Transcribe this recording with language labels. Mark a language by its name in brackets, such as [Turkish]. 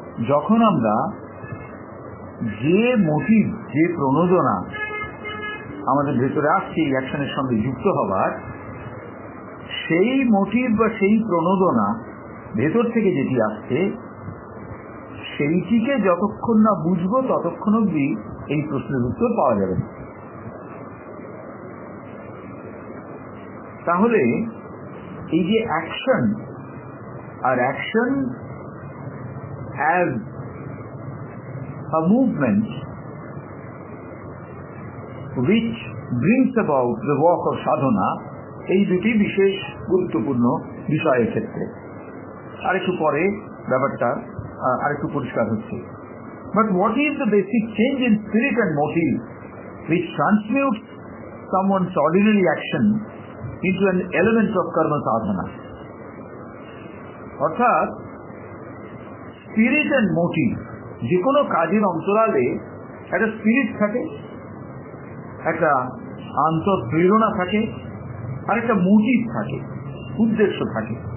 [Bangla] যখন আমরা যে মোটিভ, যে প্রণোদনা আমাদের ভেতরে আসছে এই অ্যাকশনের সঙ্গে যুক্ত হবার, সেই মোটিভ বা সেই প্রণোদনা ভেতর থেকে যেটি আসছে সেইটিকে যতক্ষণ না বুঝব ততক্ষণ অবধি এই প্রশ্নের উত্তর পাওয়া যাবে না। তাহলে এই যে [English] action, [Bangla] আর [English] action as a movement, which brings about the work of sadhana, [Bangla] এই দুটি বিশেষ গুরুত্বপূর্ণ বিষয়ের ক্ষেত্রে। আরেকটু পরে ব্যাপারটা আরেকটু পরিষ্কার হচ্ছে। [English] But what is the basic change in spirit and motive which transmutes someone's ordinary action into an element of karma sadhana? [Bangla] অর্থাৎ [English] spirit and motive, [Bangla] যে কোনো কাজের অন্তরালে একটা স্পিরিট থাকে, একটা অন্তঃপ্রেরণা থাকে আর একটা মোটিভ থাকে, উদ্দেশ্য থাকে।